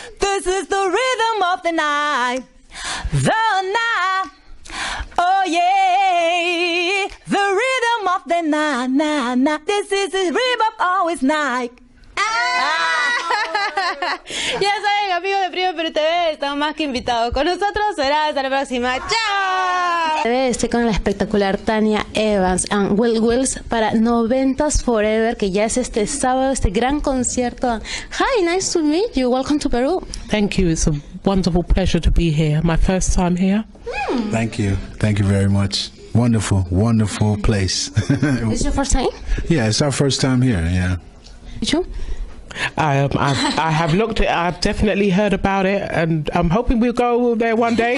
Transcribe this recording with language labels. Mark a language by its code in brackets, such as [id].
[en] This is the rhythm of the night. The night. Oh, yeah. The rhythm of the night, night, night. This is the rhythm of always night. Ah. [es] Ya saben, amigos de Primo Perú TV, estamos más que invitados. Con nosotros será hasta la próxima. ¡Chao! Estoy con la espectacular Tania Evans and Will Wills para 90s Forever, que ya es este sábado, este gran concierto. [en] Hi, nice to meet you. Welcome to Peru. Thank you. It's a wonderful pleasure to be here. My first time here. Thank you. Thank you very much. Wonderful, wonderful place. Is this your first time? Yeah, it's our first time here, yeah. You? I have looked at it, I've definitely heard about it, and I'm hoping we'll go there one day.